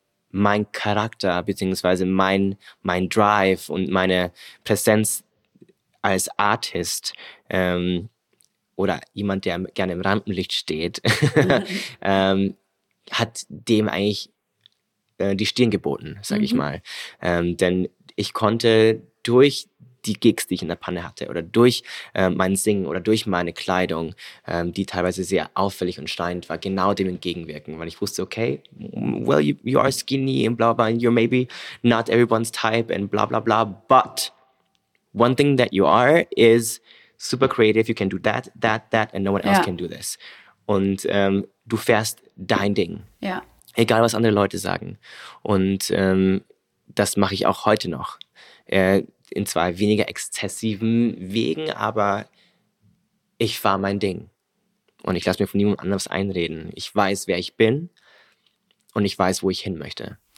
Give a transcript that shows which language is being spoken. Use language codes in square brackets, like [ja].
[de] Mein Charakter, beziehungsweise mein Drive und meine Präsenz als Artist oder jemand, der gerne im Rampenlicht steht, hat dem eigentlich die Stirn geboten, sage ich mal. Denn ich konnte durch die Gigs, die ich in der Panne hatte, oder durch mein Singen oder durch meine Kleidung, die teilweise sehr auffällig und schreiend war, genau dem entgegenwirken. Weil ich wusste, [en] okay, well, you are skinny and blah, blah, and you're maybe not everyone's type and blah, blah, blah, but one thing that you are is super creative. You can do that, that, that, and no one else can do this. [de] Und du fährst dein Ding. Ja. Egal, was andere Leute sagen. Und das mache ich auch heute noch. In zwar weniger exzessiven Wegen, aber ich fahre mein Ding. Und ich lasse mir von niemand anders einreden. Ich weiß, wer ich bin und ich weiß, wo ich hin möchte.